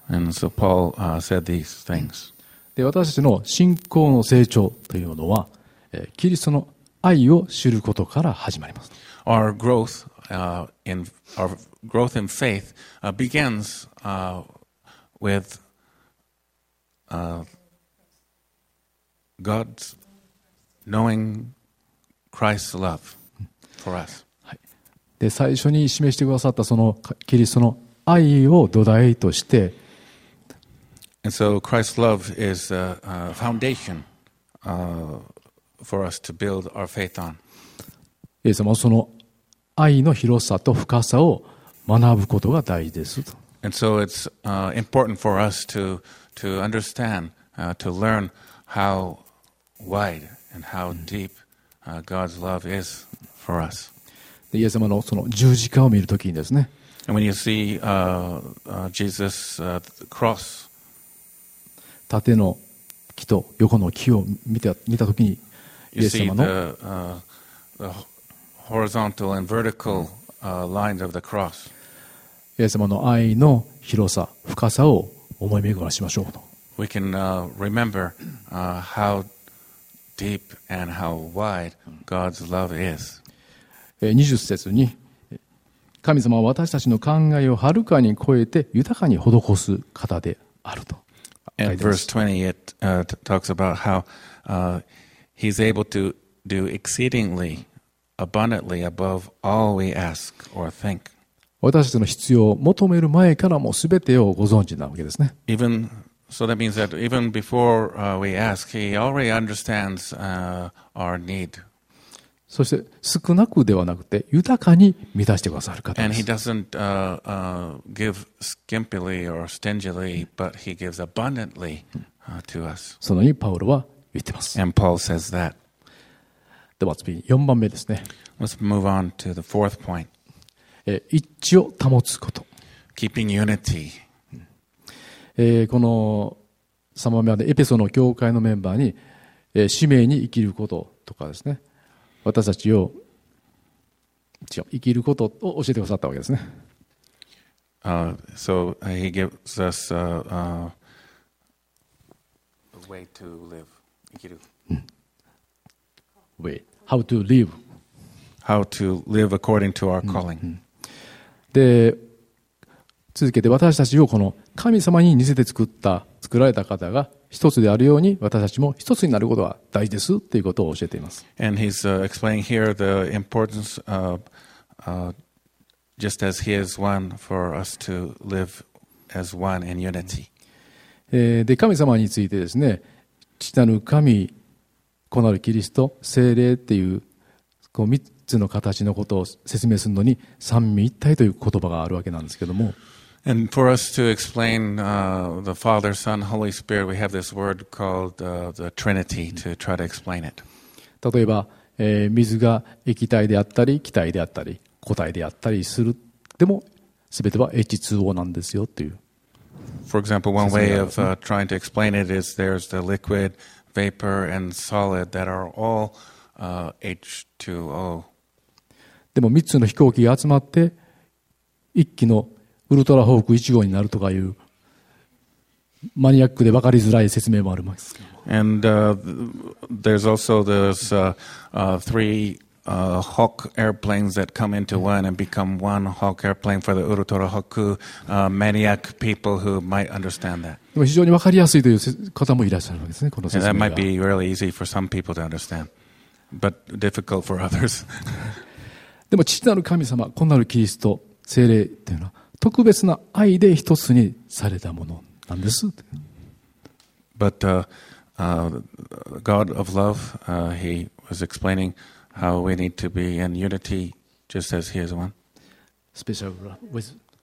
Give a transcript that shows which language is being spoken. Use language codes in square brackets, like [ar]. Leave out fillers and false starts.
[en] And so Paul, said these things. [ja] で、私たちの信仰の成長というのは、キリストの愛を知ることから始まります。 [en] Our growth, our growth in faith, begins, with, God'sKnowing Christ's love for us. [ja] はい、で最初に示してくださったそのキリストの愛を土台として、 [en] And so Christ's love is a foundation for us to build our faith on. [ja] イエス様はその愛の広さと深さを学ぶことが大事ですと。 [en] And so it's important for us to understand, to learn how wide. And how deep, God's love is for us. [ja] イエス様のその十字架を見るときにですね。 [en] And when you see, Jesus, cross, [ja] 縦の木と横の木を見たときに、イエス様の [en] the horizontal and vertical, lines of the cross. [ja] イエス様の愛の広さ、深さを思い巡らしましょうと。 [en] We can, remember, howDeep and how wide God's love is. [ja] 20節に神様は私たちの考えをはるかに超えて豊かに施す方であると。 [en] And verse 20 it talks about how he's able to do exceedingly abundantly above all we ask or think. [ja] 私たちの必要を求める前からもすべてをご存知なわけですね。 [en] EvenSo that means that even before we ask, he already understands our need. [ja] そして少なくではなくて豊かに満たしてくださる方です。 [en] And he doesn't give skimpily or stingily, but he gives abundantly to us. [ja] そのようにパウロは言ってます。 [en] And Paul says that. [ja] では次に4番目ですね。 [en] Let's move on to the fourth point. [ja] 一致を保つこと。 [en] Keeping unity. [ja] この3番目はエペソの教会のメンバーに使命に生きることとかですね、私たちを生きることを教えてくださったわけですね。 [en] So he gives us a way to live, [ja] 生きる。 [en] Way, how to live. How to live according to our calling. [ja] で続けて私たちをこの神様に似せて作られた方が一つであるように私たちも一つになることは大事ですということを教えています。 [en] And he's explaining here the importance of, Just as he is one for us to live as one in unity. [ja] で、神様についてですね、父なる神、子なるキリスト、聖霊っていう、こう3つの形のことを説明するのに、三位一体という言葉があるわけなんですけども。 [en] And for us to explain the Father, Son, Holy Spirit, we have this word called the Trinity to try to explain it. [ja] 例えば、水が液体であったり、気体であったり、固体であったりする。でも、すべては H2O なんですよという。 [en] For example, one way of trying to explain it is there's the liquid, vapor, and solid that are all H2O. [ja] でも3つの飛行機が集まって1機のウルトラホーク1号になるとかいうマニアックで分かりづらい説明もあります。 [en] And there's also those three Hawk airplanes that come into one and become one Hawk airplane for the Ultra Hawk maniac people who might understand that. [ja] 非常に分かりやすいという方もいらっしゃるわけですね。この説明が。 [en] That might be really easy for some people to understand, but difficult for others. [ja] でも父なる神様、子なるキリスト、聖霊というのは特別な愛で一つにされたものなんです。 [en] But God of love, he was explaining. How we need to be in unity, just as he is one. Special with